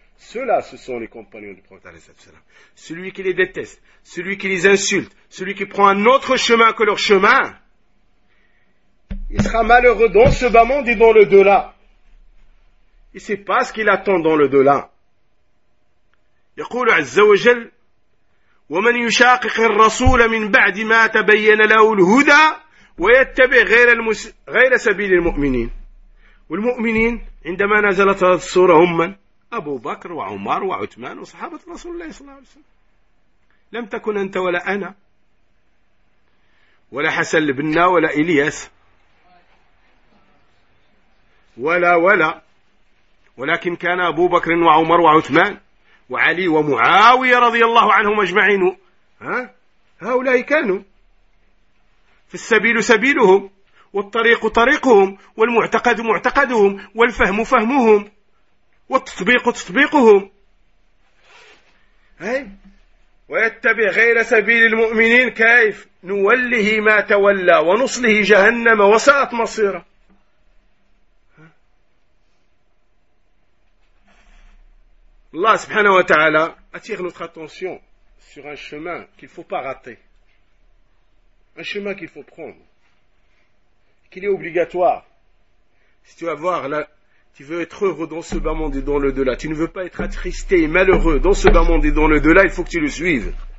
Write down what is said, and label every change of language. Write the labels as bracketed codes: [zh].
[fr] Ceux-là, ce sont les compagnons du prophète. Celui qui les déteste, celui qui les insulte, celui qui prend un autre chemin que leur chemin, il sera malheureux dans ce bas monde et dans le delà. Et c'est pas ce qu'il attend dans le delà. [ar] يقول عز وجل ومن يشاقق الرسول من بعد ما تبين له الهدى ويتبع غير سبيل المؤمنين. والمؤمنين عندما نزلت السورة هم من أبو بكر وعمر وعثمان وصحابة رسول الله صلى الله عليه وسلم. لم تكن أنت ولا أنا ولا حسن البنا ولا إلياس ولا ولكن كان أبو بكر وعمر وعثمان وعلي ومعاوية رضي الله عنهم أجمعين. هؤلاء كانوا في السبيل سبيلهم والطريق طريقهم والمعتقد معتقدهم والفهم فهمهم والتطبيق تطبيقهم. هاي ويتبع غير سبيل المؤمنين كيف نوله ما تولى ونصله جهنم وساءت مصيره. الله سبحانه وتعالى [fr] attire notre attention sur un chemin qu'il faut pas rater, un chemin qu'il faut prendre, qu'il est obligatoire si tu vas voir la... Tu veux être heureux dans ce bas monde et dans le delà. Tu ne veux pas être attristé et malheureux dans ce bas monde et dans le delà. Il faut que tu le suives.